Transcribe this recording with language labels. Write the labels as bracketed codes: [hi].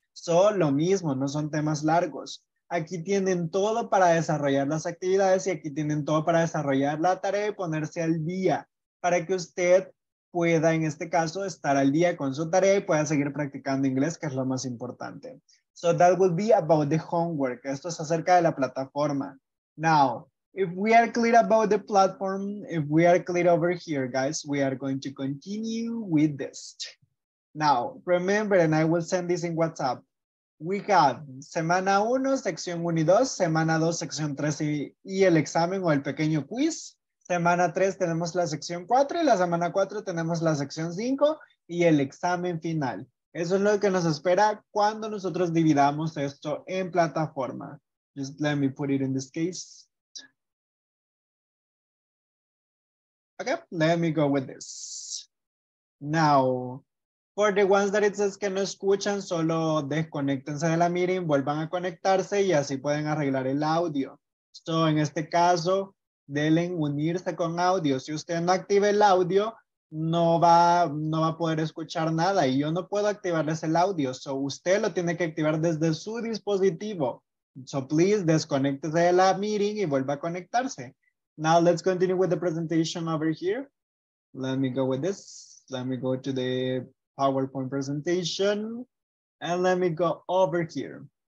[es] So, lo mismo, no son temas largos. Aquí tienen todo para desarrollar las actividades y aquí tienen todo para desarrollar la tarea y ponerse al día para que usted pueda, en este caso, estar al día con su tarea y pueda seguir practicando inglés, que es lo más importante. [en] So that would be about the homework. [es] Esto es acerca de la plataforma. [en] Now, if we are clear about the platform, if we are clear over here, guys, we are going to continue with this. Now, remember, and I will send this in WhatsApp. We have [es] semana 1, sección 1 y 2, semana 2, sección 3 y el examen o el pequeño quiz. Semana 3 tenemos la sección 4 y la semana 4 tenemos la sección 5 y el examen final. Eso es lo que nos espera cuando nosotros dividamos esto en plataforma. [en] Just let me put it in this case. Okay, let me go with this. Now, for the ones that it says [es] que no escuchan, solo desconectense de la meeting, vuelvan a conectarse y así pueden arreglar el audio. So, en este caso, denle unirse con audio. Si usted no activa el audio, no va a poder escuchar nada y yo no puedo activarles el audio. So, usted lo tiene que activar desde su dispositivo. So, please, desconectese de la meeting y vuelva a conectarse. [en] Now, let's continue with the presentation over here. Let me go with this. Let me go to the PowerPoint presentation and let me go over here.